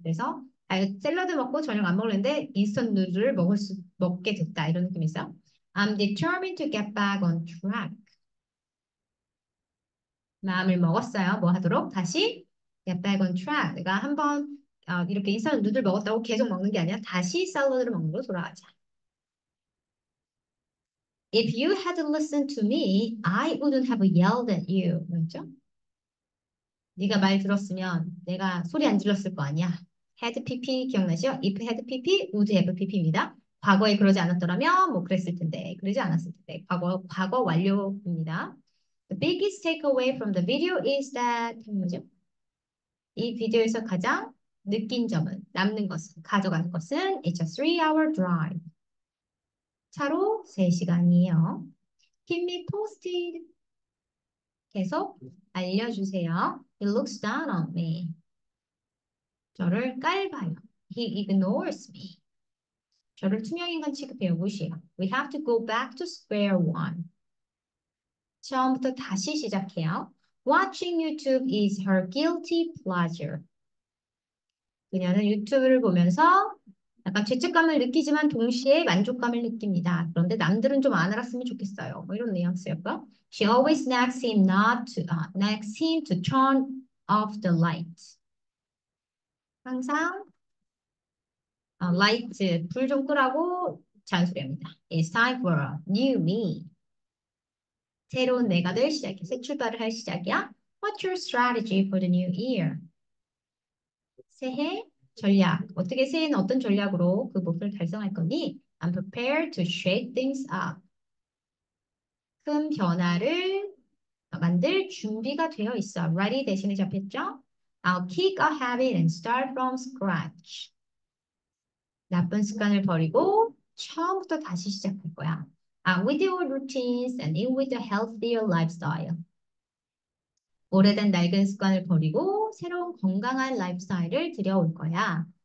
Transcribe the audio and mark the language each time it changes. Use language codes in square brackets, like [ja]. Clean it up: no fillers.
[ko] 그래서 샐러드 먹고 저녁 안 먹는데 인스턴트 누들을 먹게 됐다 이런 느낌이 있어요. [en] I'm determined to get back on track. [ko] 마음을 먹었어요. 뭐 하도록 다시 [en] get back on track. [ko] 내가 한번 이렇게 인스턴트 누들 먹었다고 계속 먹는 게 아니라 다시 샐러드를 먹는 걸로 돌아가자. [en] If you had listened to me, I wouldn't have yelled at you. [ko] 맞죠? 네가 말 들었으면 내가 소리 안 질렀을 거 아니야. Had PP 기억나시죠? If had PP, would have PP입니다. 과거에 그러지 않았더라면 뭐 그랬을 텐데 그러지 않았을 텐데 과거 완료입니다. [en] The biggest takeaway from the video is that [ko] 뭐죠? 이 비디오에서 가장 느낀 점은 남는 것은 가져간 것은 [en] It's a 3-hour drive. [ko] 차로 3시간이에요. [en] Keep me posted. [ko] 계속 알려주세요. [en] He looks down on me. [ko] 저를 깔봐요. [en] He ignores me. [ko] 저를 투명인간 취급해요. 무시해요. [en] We have to go back to square one. [ko] 처음부터 다시 시작해요. [en] Watching YouTube is her guilty pleasure. [ko] 그녀는 유튜브를 보면서 약간 죄책감을 느끼지만 동시에 만족감을 느낍니다. 그런데 남들은 좀안 알았으면 좋겠어요. 뭐 이런 뉘앙스였고. [en] She always nags him not to, nags him to turn off the light. [ko] 항상 라이트 불좀 끄라고 잔소리합니다. [en] It's time for a new me. [ko] 새로운 내가 될 시작이야. 새 출발을 할 시작이야. [en] What's your strategy for the new year? [ko] 새해? 전략. 어떻게 새해는 어떤 전략으로 그 목표를 달성할 거니? [en] I'm prepared to shake things up. [ko] 큰 변화를 만들 준비가 되어 있어. Ready 대신에 잡혔죠? [en] I'll kick a habit and start from scratch. [ko] 나쁜 습관을 버리고 처음부터 다시 시작할 거야. [en] I'm with your routines and in with a healthier lifestyle. [ko] 오래된 낡은 습관을 버리고 새로운 건강한 라이프스타일을 들여올 거야.